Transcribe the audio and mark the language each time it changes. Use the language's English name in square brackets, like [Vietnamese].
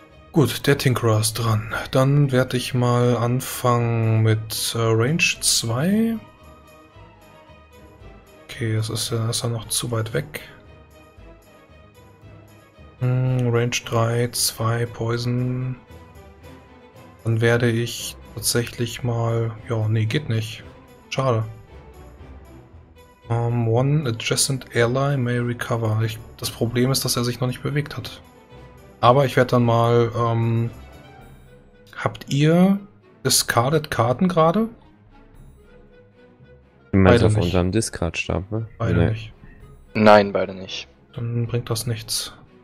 [German] Gut, der Tinkerer ist dran. Dann werde ich mal anfangen mit Range 2. Okay, es ist er noch zu weit weg. Range 3, 2, Poison. Dann werde ich tatsächlich mal... Ja, nee, geht nicht. Schade. [English] One adjacent ally may recover. [German] Das Problem ist, dass er sich noch nicht bewegt hat. Aber ich werde dann mal. Habt ihr discarded Karten gerade? Meinst du auf unserem Discard-Stapel? Beide nicht. Nein, beide nicht. Dann bringt das nichts.